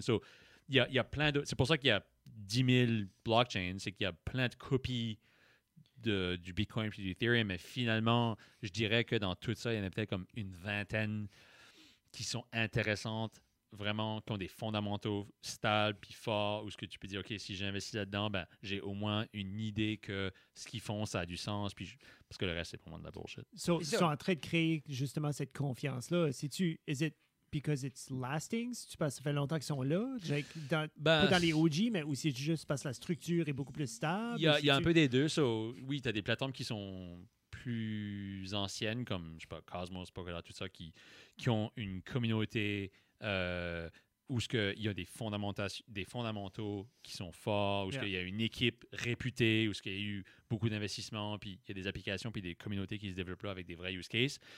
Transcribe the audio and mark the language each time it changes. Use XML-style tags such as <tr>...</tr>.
<fr>So, y a plein de, c'est pour ça qu'il y a 10 000 blockchains, c'est qu'il y a plein de copies du Bitcoin et du Ethereum, mais finalement, je dirais que dans tout ça, il y en a peut-être comme une vingtaine qui sont intéressantes, vraiment, qui ont des fondamentaux stables puis forts, où ce que tu peux dire, OK, si j'investis là-dedans, ben, j'ai au moins une idée que ce qu'ils font, ça a du sens, puis parce que le reste, c'est pour moi de la bullshit. So, ils sont en train de créer justement cette confiance-là. C'est-tu,</fr> <en>is it because it's lasting?</en> <fr>C'est-tu parce que ça fait longtemps qu'ils sont là, pas dans les OG, mais aussi juste parce que la structure est beaucoup plus stable? Il y a un peu des deux. So, oui, tu as des plateformes qui sont plus anciennes, comme je sais pas, Cosmos, Polkadot, tout ça, qui ont une communauté où il y a des fondamentaux qui sont forts, où il y a une équipe réputée, où il y a eu beaucoup d'investissements, puis il y a des applications, puis des communautés qui se développent avec des vrais use cases.</fr>